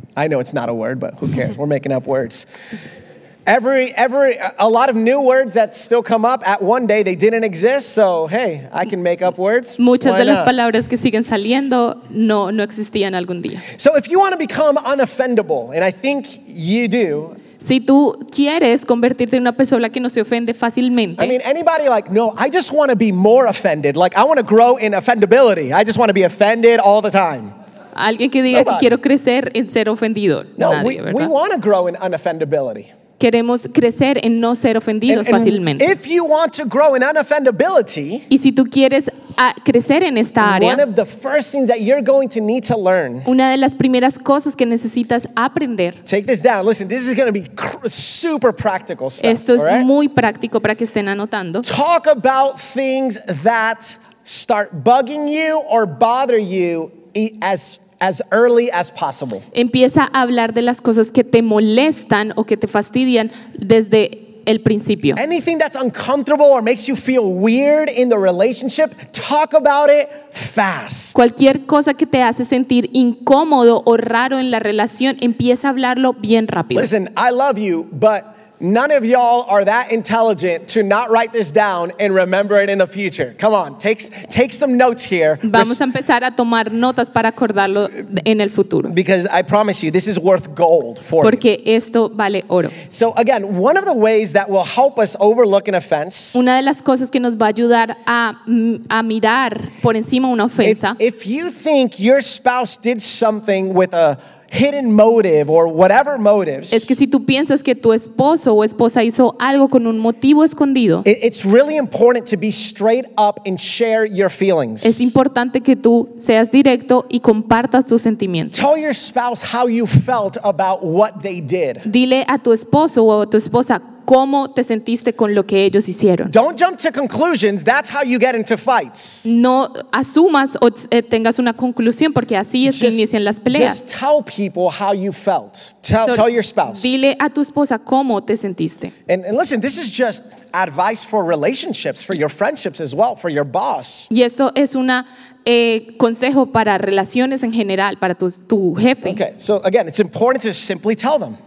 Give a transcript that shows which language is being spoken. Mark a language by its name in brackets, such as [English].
[English] I know it's not a word, but who cares? We're making up words. Every a lot of new words that still come up at one day they didn't exist. So hey, I can make up words. [Spanish] Muchas [English] Why [Spanish] de [English] not? [Spanish] Las palabras que siguen saliendo no existían algún día. [English] So if you want to become unoffendable, and I think you do. [Spanish] Si tú quieres convertirte en una persona que no se ofende fácilmente. [English] I mean, anybody like, no, I just want to be more offended. Like, I want to grow in offendability. I just want to be offended all the time. [Spanish] Alguien que diga [English] Nobody. [Spanish] Que quiero crecer en ser ofendido. No, nadie, ¿verdad? [English] We want to grow in unoffendability. [Spanish] Queremos crecer en no ser ofendidos [English] and [Spanish] fácilmente. [English] If you want to grow in unoffendability, [Spanish] y si tú quieres crecer en esta área, [English] one of the first things that you're going to need to learn, [Spanish] una de las primeras cosas que necesitas aprender, [English] take this down. Listen, this is going to be super practical stuff. [Spanish] Esto es [English] right? [Spanish] muy práctico para que estén anotando. [English] Talk about things that start bugging you or bother you as early as possible. [Spanish] Empieza a hablar de las cosas que te molestan o que te fastidian desde el principio. [English] Anything that's uncomfortable or makes you feel weird in the relationship, talk about it fast. [Spanish] Cualquier cosa que te hace sentir incómodo o raro en la relación, empieza a hablarlo bien rápido. [English] Listen, I love you, but none of y'all are that intelligent to not write this down and remember it in the future. Come on, take some notes here. [Spanish] Vamos a empezar a tomar notas para acordarlo en el futuro. [English] Because I promise you, this is worth gold for [Spanish] Porque [English] you. [Spanish] Porque esto vale oro. [English] So again, one of the ways that will help us overlook an offense. [Spanish] Una de las cosas que nos va a ayudar a mirar por encima una ofensa. [English] If you think your spouse did something with a hidden motive or whatever motives. [Spanish] Es que si tú piensas que tu esposo o esposa hizo algo con un motivo escondido. [English] It's really important to be straight up and share your feelings. [Spanish] Es importante que tú seas directo y compartas tus sentimientos. [English] Tell your spouse how you felt about what they did. [Spanish] Dile a tu esposo o a tu esposa cómo te sentiste con lo que ellos hicieron. [English] Don't jump to conclusions. That's how you get into fights. [Spanish] No asumas o tengas una conclusión porque así es que inician las peleas. [English] Just tell people how you felt. Tell your spouse. [Spanish] Dile a tu esposa cómo te sentiste. [English] And listen, this is just advice for relationships, for your friendships as well, for your boss. [Spanish] Y esto es una consejo para relaciones en general, para tu jefe. [English] Okay, so again, it's important to simply tell them.